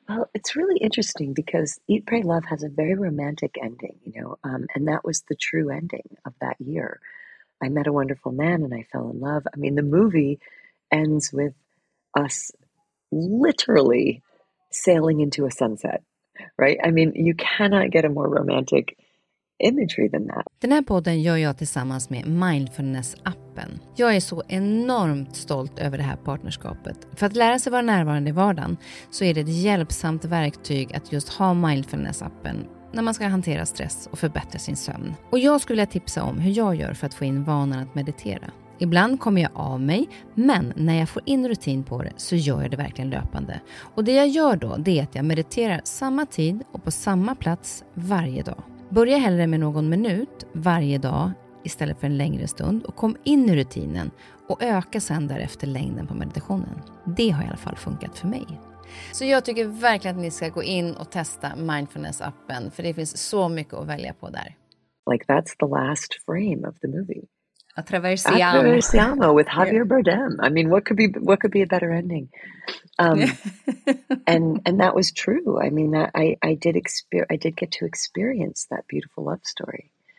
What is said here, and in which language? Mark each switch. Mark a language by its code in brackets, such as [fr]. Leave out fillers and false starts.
[en] Well, it's really interesting because Eat, Pray, Love has a very romantic ending, you know, and that was the true ending of that year. I met a wonderful man and I fell in love. I mean, the movie ends with us literally sailing into a sunset, right? I mean, you cannot get a more romantic imagery than that. [sv] Den här podden gör jag tillsammans med Mindfulness-appen. Jag är så enormt stolt över det här partnerskapet. För att lära sig vara närvarande i vardagen så är det ett hjälpsamt verktyg att just ha Mindfulness-appen när man ska hantera stress och förbättra sin sömn. Och jag skulle vilja tipsa om hur jag gör för att få in vanan att meditera. Ibland kommer jag av mig, men när jag får in rutin på det så gör jag det verkligen löpande. Och det jag gör då, det är att jag mediterar samma tid och på samma plats varje dag. Börja hellre med någon minut varje dag istället för en längre stund och kom in i rutinen och öka sen därefter längden på meditationen. Det har i alla fall funkat för mig. Så jag tycker verkligen att ni ska gå in och testa Mindfulness-appen, för det finns så mycket att välja på där. [en] Like that's the last frame of the movie. [it] Atraversiamo. [en] Atraversiamo with Javier Bardem. I mean, what could be a better ending? and that was true. I mean, I did get to experience that beautiful love story.